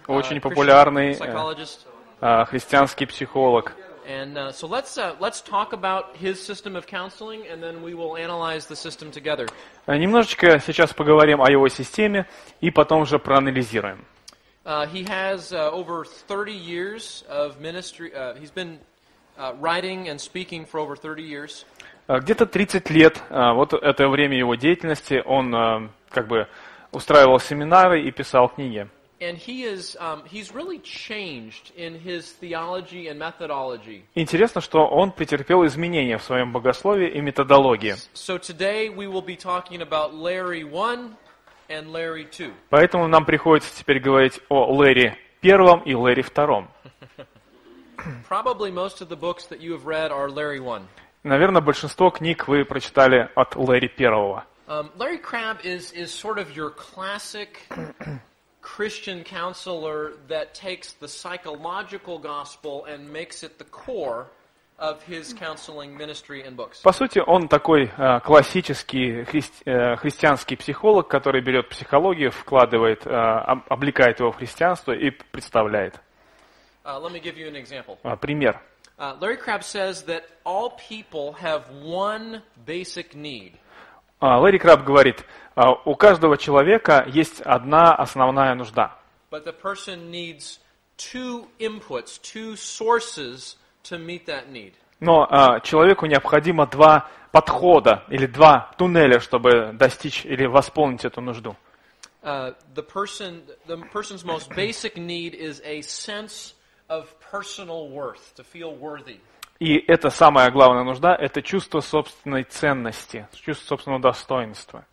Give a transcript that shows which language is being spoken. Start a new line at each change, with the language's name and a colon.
Russian: Очень популярный христианский психолог.
English: And so let's talk about his system of counseling, and then we will analyze the system together.
Russian: Немножечко сейчас поговорим о его системе и потом уже проанализируем.
English: He has over 30 years of ministry. He's been writing and speaking for over 30 years.
Russian: Где-то 30 лет, вот это время его деятельности, он как бы устраивал семинары и писал книги.
English: And he is he's really changed in his theology and methodology.
Russian: Интересно, что он претерпел изменения в своем богословии и методологии.
English: So today we will be talking about Larry 1 and Larry 2.
Russian: Поэтому нам приходится теперь говорить о Ларри 1 и Ларри 2.
English: Probably most of the books that you have read are Larry 1.
Russian: Наверное, большинство книг вы прочитали от Ларри 1.
English: Larry Crabb is sort of your classic Christian counselor that takes the psychological gospel and makes it the core of his counseling ministry and books.
Russian: По сути, он такой классический христианский психолог, который берет психологию, вкладывает, облекает его в христианство и представляет.
English: Let me give you an example.
Russian: Пример.
English: Larry Crabb says that all people have one basic need.
Russian: Ларри Крабб говорит, у каждого человека есть одна основная нужда.
English: But the person needs two inputs, two sources to meet that need.
Russian: Но человеку необходимо два подхода или два туннеля, чтобы достичь или восполнить эту нужду.
English: The person's most basic need is a sense of personal worth, to feel worthy.
Russian: И это самая главная нужда – это чувство собственной ценности, чувство собственного достоинства.